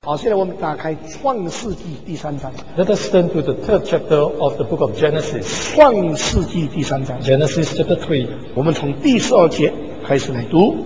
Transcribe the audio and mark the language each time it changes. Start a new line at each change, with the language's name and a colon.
Chinese: 好，现在我们打开创世纪第三章。
English: Let us turn to the third chapter of the book of Genesis.
Chinese: 创世纪第三章。
English: Genesis chapter 3.
Chinese: 我们从第十二节开始来读。